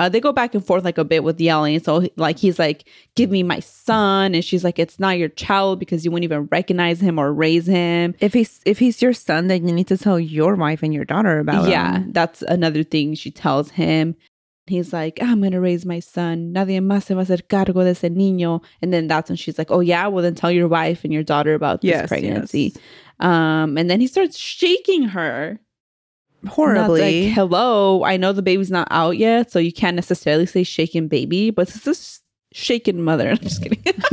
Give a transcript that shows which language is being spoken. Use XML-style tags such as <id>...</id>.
<en>They go back and forth like a bit with yelling. So like he's like, give me my son. And she's like, it's not your child because you wouldn't even recognize him or raise him. If he's your son, then you need to tell your wife and your daughter about yeah, him. Yeah, that's another thing she tells him. He's like, I'm going to raise my son.</en> <es>Nadie más se va a hacer cargo de ese niño.</es> <en>And then that's when she's like, oh, yeah, well, then tell your wife and your daughter about this pregnancy. Yes. And then he starts shaking her. Horribly. Not like, hello, I know the baby's not out yet, so you can't necessarily say shaken baby, but this is shaken mother. I'm just kidding.</en>